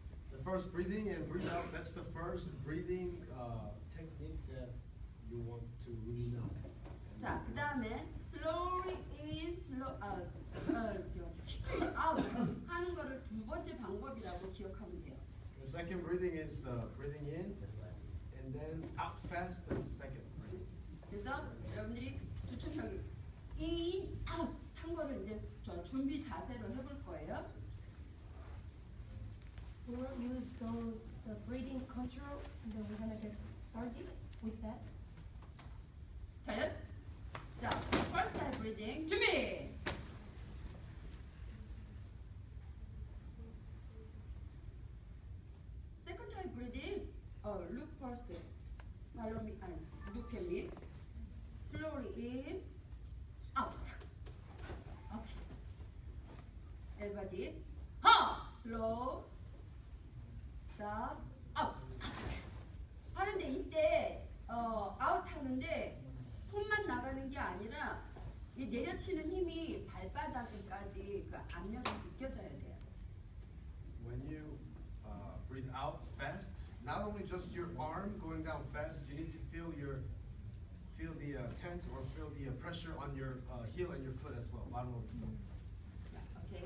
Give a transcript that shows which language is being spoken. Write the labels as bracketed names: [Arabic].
[English] The first breathing and breathe out, that's the first breathing technique that you want to really know. [Korean] 자, 그 다음에 [English] slowly in, out [Korean] 하는 거를 두 번째 방법이라고 기억하면 돼요. [English] The second breathing is the breathing in, and then out fast, that's the second breathing. [Korean] 그래서 여러분들이 주춤형이 [English] in, out [Korean] 한 거를 이제 저 준비 자세로 해볼 거예요. [English] We'll use those, the breathing control, and then we're going to get started with that. [Korean] 자, 자, [English] first time breathing, [Korean] 준비! [English] Second time breathing, look first. Follow me, look at me. Slowly in, out. Okay. Everybody, ha! Slow, stop, out. [Korean] 하는데 이때, [English] out [Korean] 하는데, 손만 나가는 게 아니라, 이 내려치는 힘이 발바닥까지 그 압력이 느껴져야 돼요. [English] When you breathe out fast, not only just your arm going down fast, you need to feel your feel the tense or feel the pressure on your heel and your foot as well, bottom of the foot.